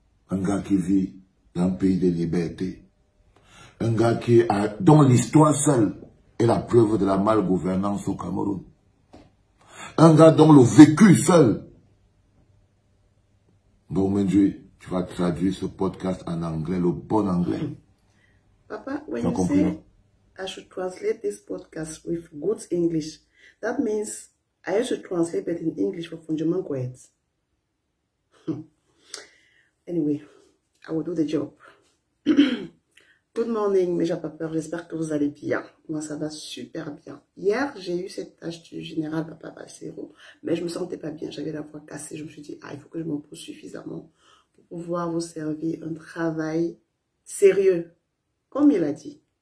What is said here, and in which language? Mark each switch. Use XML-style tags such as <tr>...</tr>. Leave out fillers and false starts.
<fr>un gars qui vit dans un pays de liberté, un gars qui a, dont l'histoire seule est la preuve de la malgouvernance au Cameroun, un gars dont le vécu seul. Bon, Mendy, tu vas traduire ce podcast en anglais, le bon anglais.</fr> <en>Papa, when you say I should translate this podcast with good English, that means I should translate it in English for Fonjoman Kwet. Anyway, I will do the job. Good morning,</en> <fr>mes chers papeurs, j'espère que vous allez bien. Moi, ça va super bien. Hier, j'ai eu cette tâche du général Papa Valsero, mais je me sentais pas bien, j'avais la voix cassée. Je me suis dit, ah, il faut que je m'en pose suffisamment pour pouvoir vous servir un travail sérieux, comme il a dit.</fr>